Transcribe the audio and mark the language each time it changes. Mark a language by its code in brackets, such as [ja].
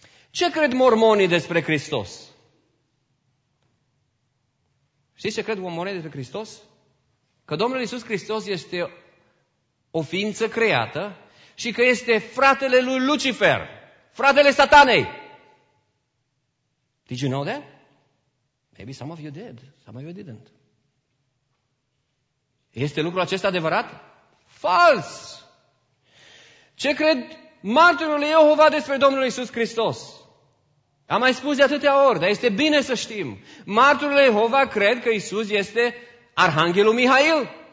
[ro] Ce cred mormonii despre Hristos? Știți ce cred mormonii despre Hristos? Că Domnul Iisus Hristos este o ființă creată și că este fratele lui Lucifer, fratele Satanei. [en] Did you know that? Maybe some of you did, some of you didn't. [ro] Este lucrul acesta adevărat? Fals! Ce cred martorul Iehova despre Domnul Iisus Hristos? Am mai spus de atâtea ori, dar este bine să știm. Martorul Iehova cred că Iisus este Arhanghelul Mihail.